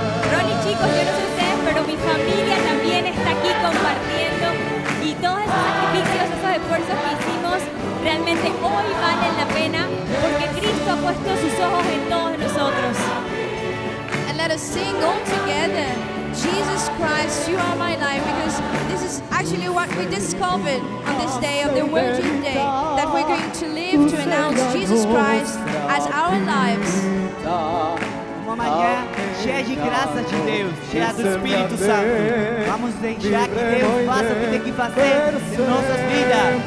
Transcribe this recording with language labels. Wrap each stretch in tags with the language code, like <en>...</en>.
<es>Ronnie, chicos, yo no sé ustedes, pero mi familia también está aquí compartiendo y todos esos sacrificios, esos esfuerzos que hicimos, realmente hoy valen la pena porque Cristo ha puesto sus ojos en todos nosotros.</es> <en>Let us sing all together, Jesus Christ, you are my life, because this is actually what we discovered on this day of the Virgin Day, that we're going to live to announce Jesus Christ as our lives.</en> <pt>Uma manhã cheia de graças de Deus, cheia do Espírito Santo. Vamos deixar que Deus faça o que tem que fazer em nossas vidas.</pt>